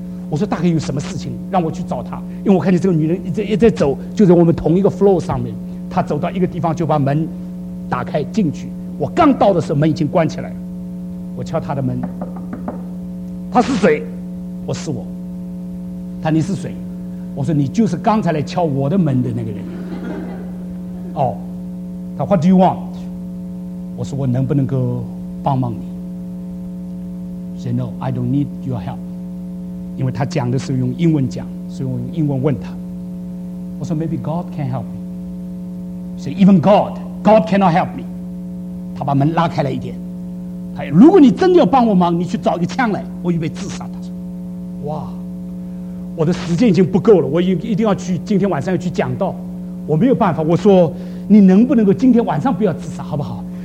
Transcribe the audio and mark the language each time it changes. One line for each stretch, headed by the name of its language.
Chinese: 我说大概有什么事情让我去找她，因为我看见这个女人一直走，就在我们同一个 floor 上面，她走到一个地方就把门打开进去，我刚到的时候门已经关起来了，我敲她的门，她是谁？我是我。她你是谁？我说你就是刚才来敲我的门的那个人。哦，他
English: What do you want？
Chinese: 我说我能不能够帮帮你？
English: She said No， I don't need your help。
Chinese: 因为他讲的是用英文讲，所以我用英文问他。我说
English: Maybe God can help me。She said Even God cannot help me。
Chinese: 他把门拉开了一点，他说如果你真的要帮我忙，你去找一个枪来，我预备自杀。他说哇，我的时间已经不够了，我一定要去，今天晚上要去讲道，我没有办法。我说你能不能够今天晚上不要自杀好不好？